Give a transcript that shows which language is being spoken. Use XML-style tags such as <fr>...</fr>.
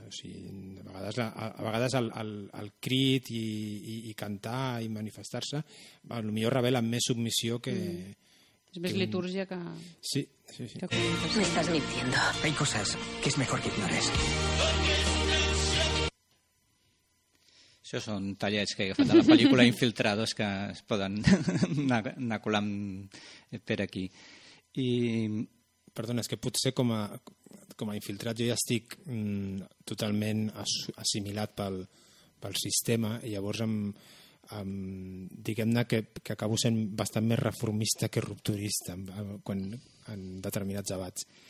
<ca>O sigui, a vegades el crit i cantar i manifestar-se potser revela més submissió que... És més litúrgia que... Sí, sí, sí.</ca> <es>Me estás mintiendo. Hay cosas que es mejor que ignores.</es> <ca>Això són tallets que he agafat de la pel·lícula Infiltrados que es poden anar colant per aquí. I... Perdona, és que potser com a infiltrat jo ja estic totalment assimilat pel sistema i llavors diguem-ne que acabo sent bastant més reformista que rupturista en determinats debats.</ca>